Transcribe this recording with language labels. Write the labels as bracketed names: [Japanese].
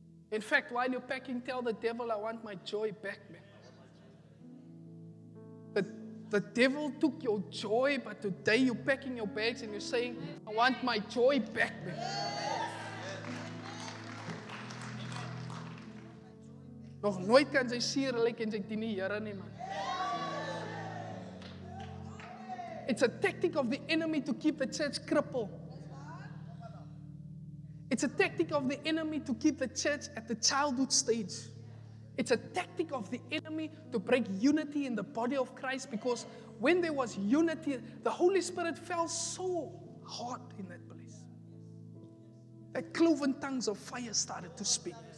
[English] In fact, while you're packing, tell the devil, I want my joy back, man. The devil took your joy, but today you're packing your bags and you're saying, I want my joy back, man. [Afrikaans] Nog nooit kan sy seer lyk en sy dien die Here nie, man. [English] It's a tactic of the enemy to keep the church crippled. It's a tactic of the enemy to keep the church at the childhood stage. It's a tactic of the enemy to break unity in the body of Christ, because when there was unity, the Holy Spirit fell so hard in that place that cloven tongues of fire started to speak.